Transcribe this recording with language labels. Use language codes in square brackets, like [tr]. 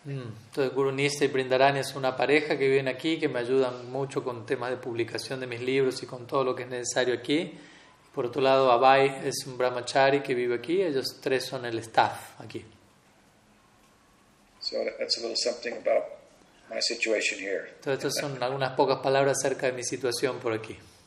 [es] Entonces Guru Nishtha y Vrindaranya es una pareja que viven aquí, que me ayudan mucho con temas de publicación de mis libros y con todo lo que es necesario aquí. Por otro lado, Abhay es un brahmachari que vive aquí. Ellos tres son el staff aquí. [en] So that's a little something about my situation here. [es] Entonces estas son algunas pocas palabras acerca de mi situación por aquí.